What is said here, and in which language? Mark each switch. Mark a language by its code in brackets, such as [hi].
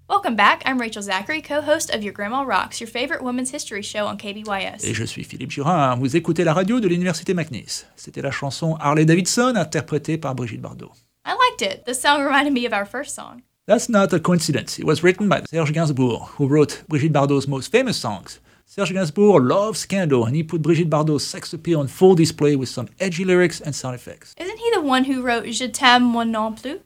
[en] Back, I'm Rachel Zachary, co-host of Your Grandma Rocks, your favorite women's history show on KBYS. [fr] Et je suis Philippe Girard. Vous écoutez la radio de l'Université McNeese. C'était la chanson Harley Davidson, interprétée par Brigitte Bardot. [en] I liked it. The song reminded me of our first song. That's not a coincidence. It was written by Serge Gainsbourg, who wrote Brigitte Bardot's most famous songs. Serge Gainsbourg loves scandal, and he put Brigitte Bardot's sex appeal on full display with some edgy lyrics and sound effects. Isn't he the one who wrote Je t'aime moi non plus?